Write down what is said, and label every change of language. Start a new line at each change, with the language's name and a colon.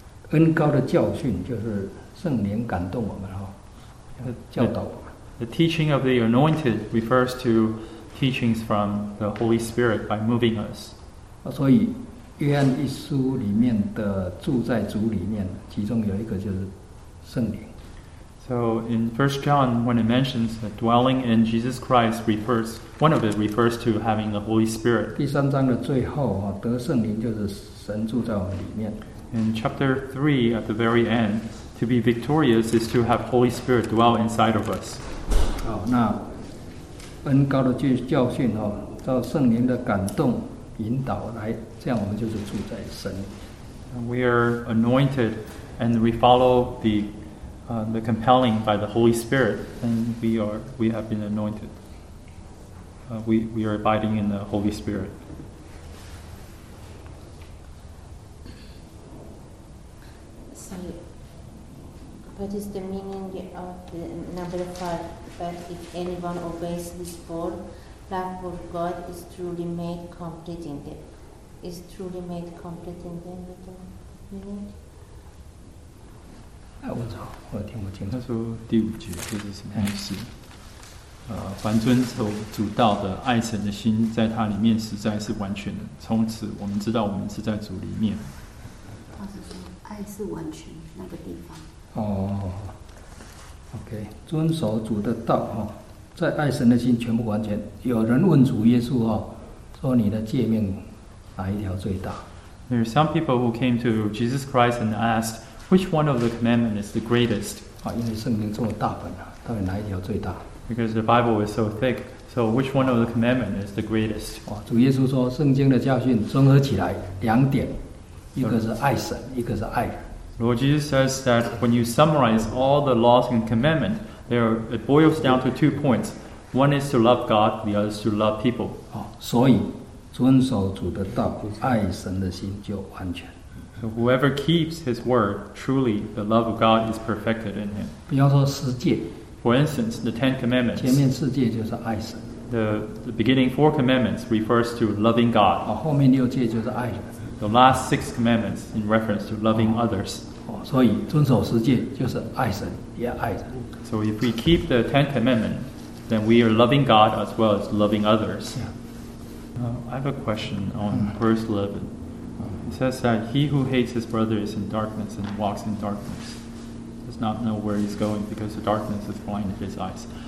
Chinese: 恩膏的教训就是圣灵感动我们，教导我们。
English: The teaching of the anointed refers to teachings from the Holy Spirit by moving us.
Chinese: 所以约翰一书里面的住在主里面，其中有一个就是圣灵。
English: So in 1 John, when it mentions that dwelling in Jesus Christ, refers one of it refers to having the Holy Spirit.
Chinese: 第三章的最后啊，得圣灵就是神住在我们里面。
English: In chapter 3, at the very end, to be victorious is to have Holy Spirit dwell inside of us.
Chinese: 好，那恩膏的教训哦，照圣灵的感动引导来，这样我们就是住在神。
English: We are anointed, and we follow the compelling by the Holy Spirit, and we have been anointed. We are abiding in the Holy Spirit. 3. What is the meaning of the number 5? But if anyone obeys this 4, love for God is truly made complete in them. Is truly made complete in them? Meaning?
Chinese: 我找，我听不清楚。他说第五句这是什么意思？凡遵守主道的爱神的心，在他里面实在是完全的。从此我们知道我们是在主里面。他是说爱是完全那个地方。哦 ，OK， 遵守主的道哈，在爱神的心全部完全。有人问主耶稣哈，说你的诫命哪一条最大
English: ？There are some people who came to Jesus Christ and asked. Which one of the commandments is the greatest?
Chinese: 啊，因为圣经这么大本啊，到底哪一条最大
English: ？Because the Bible is so thick, so which one of the commandments is the greatest?
Chinese: 哦，主耶稣说，圣经的教训综合起来两点，一个是爱神，一个是爱人。
English: Lord Jesus says that when you summarize all the laws and commandments, it boils down to two points. One is to love God, the other is to love people.
Chinese: 哦，所以遵守主的道，爱神的心就完全。
English: So whoever keeps his word, truly the love of God is perfected in him.
Chinese: 比方说十诫
English: For instance, the Ten Commandments.
Chinese: 前面四诫就是爱神。
English: The beginning four commandments refers to loving God.
Chinese: 后面六诫就是爱人。
English: The last six commandments in reference to loving others.
Chinese: 所以遵守十诫就是爱神也爱人。
English: So if we keep the Ten Commandments, then we are loving God as well as loving others. Yeah. I have a question on verse 11. It says that he who hates his brother is in darkness and walks in darkness. Does not know where he's going because the darkness has blinded his eyes.